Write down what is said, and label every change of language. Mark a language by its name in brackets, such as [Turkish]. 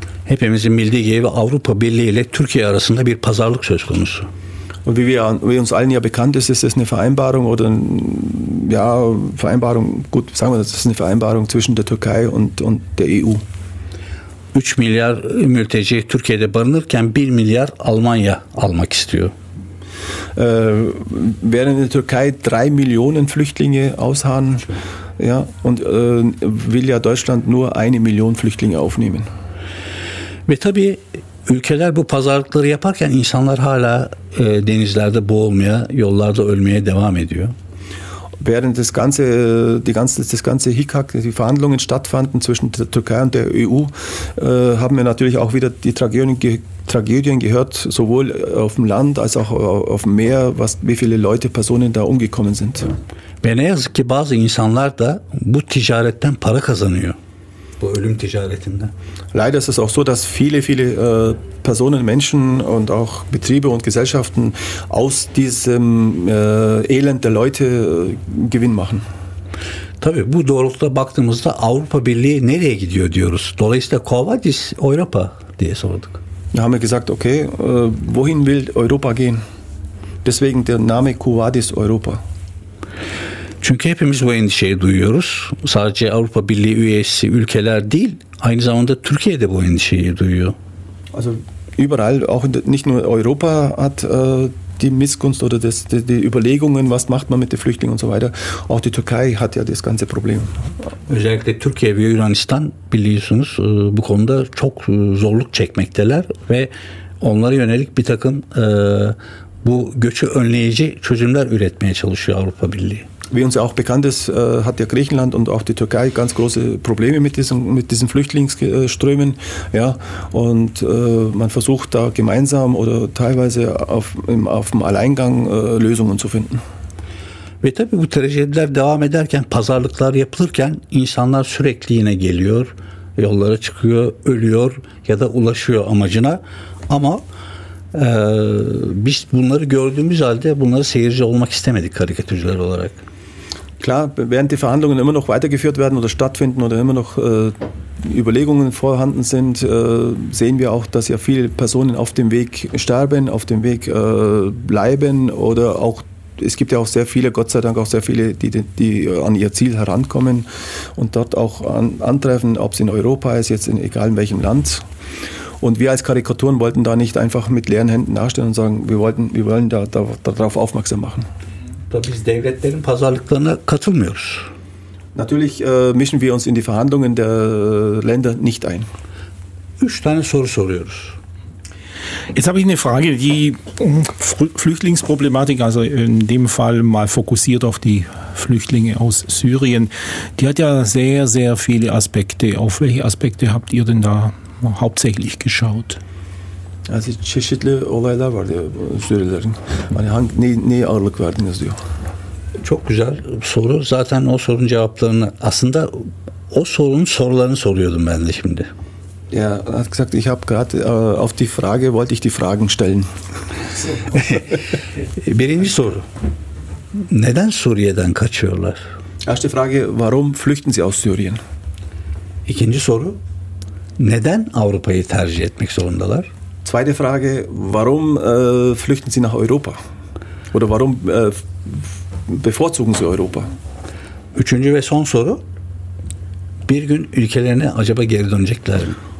[Turkish] Hepimizin bildiği gibi Avrupa Birliği ile Türkiye arasında bir pazarlık söz konusu. [German] Und wie uns allen ja bekannt ist, ist es eine Vereinbarung oder ja, Vereinbarung, gut, sagen wir, das ist eine Vereinbarung zwischen der Türkei und der EU. [Turkish] 3 milyar mülteci Türkiye'de barınırken 1 milyar Almanya almak istiyor. [German] Während in der Türkei 3 Millionen Flüchtlinge ausharren, ja, und will ja Deutschland nur 1 Million Flüchtlinge aufnehmen. [Turkish] Ve tabii ülkeler bu pazarlıkları yaparken insanlar hala denizlerde boğulmaya, yollarda ölmeye devam ediyor. [German] Während das ganze Hickhack, die Verhandlungen stattfanden zwischen der Türkei und der EU, haben wir natürlich auch wieder die Tragödien gehört, sowohl auf dem Land als auch auf dem Meer, wie viele Leute, Personen da umgekommen sind. [Turkish] Ve ne yazık ki bazı insanlar da bu ticaretten para kazanıyor. Bu ölüm ticaretinde. [German] Leider ist es auch so, dass viele, viele Personen, Menschen und auch Betriebe und Gesellschaften aus diesem Elend der Leute Gewinn machen. [Turkish] Tabii bu doğrultuda baktığımızda Avrupa Birliği nereye gidiyor diyoruz. Dolayısıyla Kovadis Europa diye sorduk. [German] Da haben wir gesagt, okay, wohin will Europa gehen? Deswegen der Name Kovadis Europa. [Turkish] Çünkü hepimiz bu endişeyi duyuyoruz. Sadece Avrupa Birliği üyesi ülkeler değil, aynı zamanda Türkiye de bu endişeyi duyuyor. [German] Also überall, auch nicht nur Europa hat die Missgunst oder die Überlegungen, was macht man mit den Flüchtlingen und so weiter. Auch die Türkei hat ja das ganze Problem. [Turkish] Özellikle Türkiye ve Yunanistan biliyorsunuz bu konuda çok zorluk çekmekteler ve onlara yönelik bir takım bu göçü önleyici çözümler üretmeye çalışıyor Avrupa Birliği. [German] Wie uns ja auch bekannt ist, hat ja Griechenland und auch die Türkei ganz große Probleme mit diesen Flüchtlingsströmen. Ja, und man versucht da gemeinsam oder teilweise auf dem Alleingang Lösungen zu finden. [Turkish] Ve tabii bu trajediler devam ederken, pazarlıklar yapılırken insanlar sürekli yine geliyor, yollara çıkıyor, ölüyor ya da ulaşıyor amacına. Ama biz bunları gördüğümüz halde bunları seyirci olmak istemedik karikatürcüler olarak. [German] klar, während die Verhandlungen immer noch weitergeführt werden oder stattfinden oder immer noch Überlegungen vorhanden sind, sehen wir auch, dass ja viele Personen auf dem Weg sterben, auf dem Weg bleiben oder auch, es gibt ja auch sehr viele, Gott sei Dank auch sehr viele, die an ihr Ziel herankommen und dort auch antreffen, ob es in Europa ist, jetzt egal in welchem Land. Und wir als Karikaturen wollten da nicht einfach mit leeren Händen dastehen und sagen, wir wollen da darauf aufmerksam machen. Da bist du denn ein paar Karikaturen? Natürlich mischen wir uns in die Verhandlungen der Länder nicht ein. Ist deine Sorge. Jetzt habe ich eine Frage, die Flüchtlingsproblematik, also in dem Fall mal fokussiert auf die Flüchtlinge aus Syrien, die hat ja sehr, sehr viele Aspekte. Auf welche Aspekte habt ihr denn da hauptsächlich geschaut? [Turkish] Also çeşitli olaylar vardı Suriyelilerin. Hani hangi neye ağırlık verdiniz diyor. Çok güzel soru. Zaten o sorunun cevaplarını aslında o sorunun sorularını soruyordum ben de şimdi. [German] Ja, hat gesagt, ich habe gerade auf die Frage wollte ich die Fragen stellen. [Turkish] Birinci soru. Neden Suriye'den kaçıyorlar? [German] Erste Frage, warum flüchten Sie aus Syrien? [Turkish] İkinci soru. Neden Avrupa'yı tercih etmek zorundalar? [German] Zweite Frage, warum flüchten Sie nach Europa? Oder warum bevorzugen Sie Europa? [Turkish] Üçüncü ve son soru. Bir gün ülkelerine acaba geri dönecekler mi?